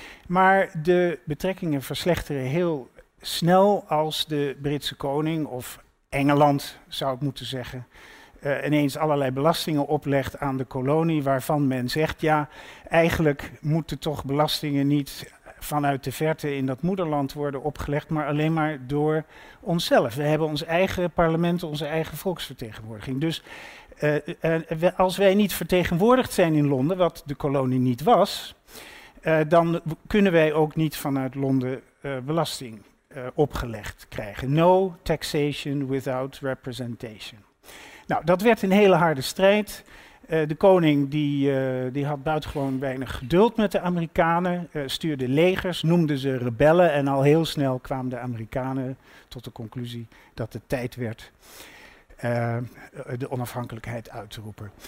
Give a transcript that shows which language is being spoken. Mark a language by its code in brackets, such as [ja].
[nl] Maar de betrekkingen verslechteren heel snel als de Britse koning, of Engeland zou ik moeten zeggen, ineens allerlei belastingen oplegt aan de kolonie, waarvan men zegt, ja, eigenlijk moeten toch belastingen niet vanuit de verte in dat moederland worden opgelegd, maar alleen maar door onszelf. We hebben ons eigen parlement, onze eigen volksvertegenwoordiging. Dus als wij niet vertegenwoordigd zijn in Londen, wat de kolonie niet was, dan kunnen wij ook niet vanuit Londen belasting opgelegd krijgen. [en] No taxation without representation. [nl] Nou, dat werd een hele harde strijd. De koning die had buitengewoon weinig geduld met de Amerikanen, stuurde legers, noemde ze rebellen en al heel snel kwamen de Amerikanen tot de conclusie dat het tijd werd de onafhankelijkheid uit te roepen.